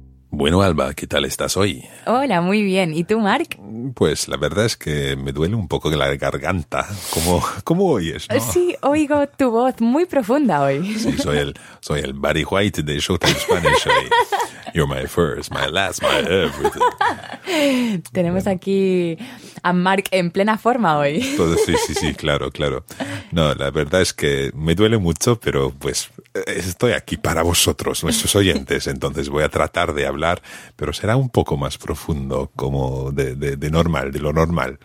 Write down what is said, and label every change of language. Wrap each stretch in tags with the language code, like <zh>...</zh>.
<es>Bueno, Alba, ¿qué tal estás hoy? Hola, muy bien. ¿Y tú, Marc? Pues la verdad es que me duele un poco la garganta. ¿Cómo oyes, no? Sí, oigo tu voz muy profunda hoy. Sí, soy el Barry White de Showtime Spanish hoy.</es> <en>You're my first, my last, my everything.</en> <es>Tenemos aquí a Marc en plena forma hoy. Sí, claro. No, la verdad es que me duele mucho, pero pues estoy aquí para vosotros, nuestros oyentes, entonces voy a tratar de hablar, pero será un poco más profundo, como de normal, de lo normal.</es>